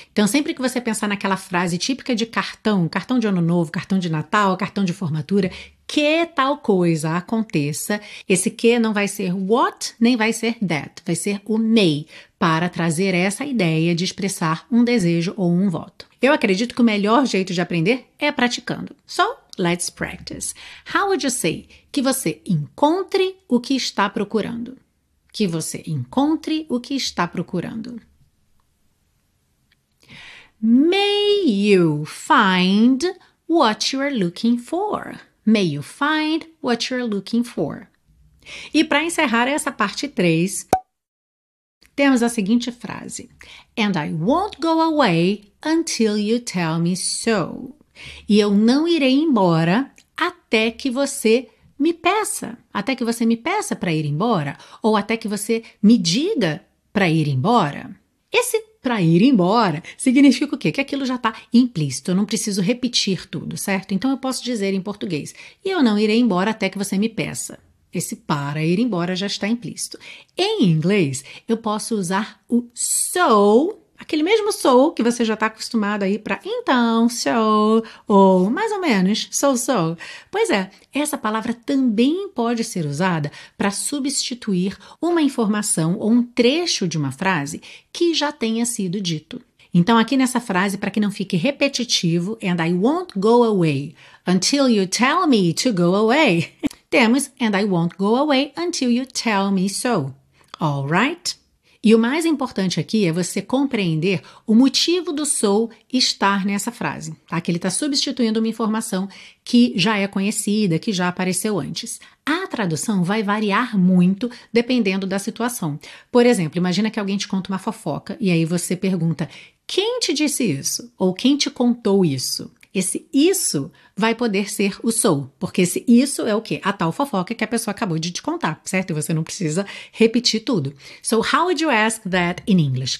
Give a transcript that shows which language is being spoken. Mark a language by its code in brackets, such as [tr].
[pt] Então, sempre que você pensar naquela frase típica de cartão, cartão de ano novo, cartão de Natal, cartão de formatura, que tal coisa aconteça, esse que não vai ser what, nem vai ser that, vai ser o may, para trazer essa ideia de expressar um desejo ou um voto. Eu acredito que o melhor jeito de aprender é praticando. [en] So, let's practice. How would you say [pt] que você encontre o que está procurando? Que você encontre o que está procurando. [en] May you find what you are looking for. May you find what you are looking for. [pt] E para encerrar essa parte 3, temos a seguinte frase. [en] And I won't go away until you tell me so. [pt] E eu não irei embora até que você me peça. Até que você me peça para ir embora. Ou até que você me diga para ir embora. Esse para ir embora significa o quê? Que aquilo já está implícito. Eu não preciso repetir tudo, certo? Então, eu posso dizer em português. E eu não irei embora até que você me peça. Esse para ir embora já está implícito. Em inglês, eu posso usar o so, aquele mesmo so que você já está acostumado aí para então, so, ou mais ou menos, so-so. Pois é, essa palavra também pode ser usada para substituir uma informação ou um trecho de uma frase que já tenha sido dito. Então, aqui nessa frase, para que não fique repetitivo, [en] and I won't go away until you tell me to go away. [pt] Temos, [en] and I won't go away until you tell me so. All right? [pt] E o mais importante aqui é você compreender o motivo do so estar nessa frase, tá? Que ele está substituindo uma informação que já é conhecida, que já apareceu antes. A tradução vai variar muito dependendo da situação. Por exemplo, imagina que alguém te conta uma fofoca e aí você pergunta, quem te disse isso? Ou quem te contou isso? Esse isso vai poder ser o so, porque esse isso é o quê? A tal fofoca que a pessoa acabou de te contar, certo? E você não precisa repetir tudo. [en] So, how would you ask that in English?